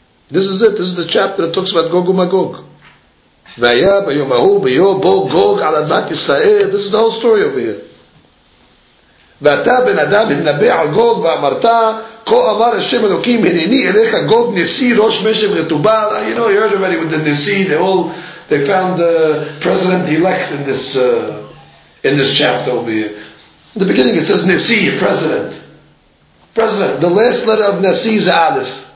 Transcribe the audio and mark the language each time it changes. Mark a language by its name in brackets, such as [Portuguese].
[English] This is it, this is the chapter that talks about Gog ומגוג. [Hebrew] והיה ביום ההוא ביום בו גוג על אדמת ישראל. [English] This is the whole story over here. [Hebrew] ואתה בן אדם התנבא על גוג ואמרת, כה אמר השם אלוקים, הנני אליך גוג נשיא ראש משם רטובל. [English] You know, you heard everybody with the נשיא, the whole... They found the president-elect in this chapter over here. In the beginning it says Nesi, president. President, the last letter of Nesi is Aleph.